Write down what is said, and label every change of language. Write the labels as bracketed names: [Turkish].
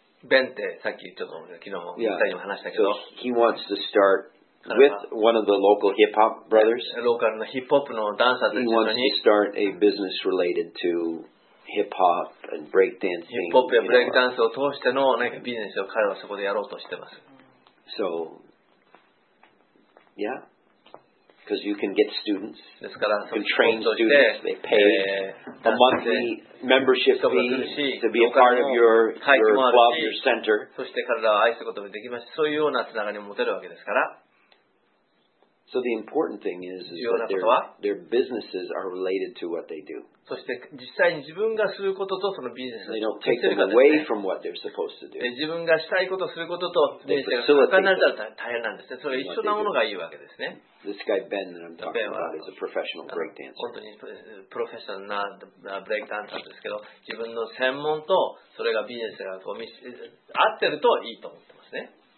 [Japanese] Ben, ってさっきちょっと昨日も話したけど、 [English] so he wants to start. With one of the local hip hop brothers, [Japanese] local のヒップホップのダンサーたちに、 [English] he wants to start a business related to hip hop and break dancing. [Japanese] ヒップホップやブレイクダンスを通してのなんかビジネスを彼はそこでやろうとしてます。 [English] So, yeah, because you can get students, [Japanese] ですから、 [English] you can train students, they pay a monthly membership fee to be a part of your club, your center. [Japanese] そして彼らを愛することもできます。そういうようなつながりも持てるわけですから。 [English] So the important thing is that their businesses are related to what they do. [Japanese] そして実際に自分がすることとそのビジネスが、 [English] they don't take them away from what they're supposed to do. [Japanese] 自分がしたいことすることとビジネスが関係ないと大変なんですね。それ一緒なものがいいわけですね。 [English] This guy Ben that I'm talking about is a professional break dancer. [Japanese] 本当にプロフェッショナルなブレイクダンサーですけど、自分の専門とそれがビジネスが合ってるといいと思ってますね。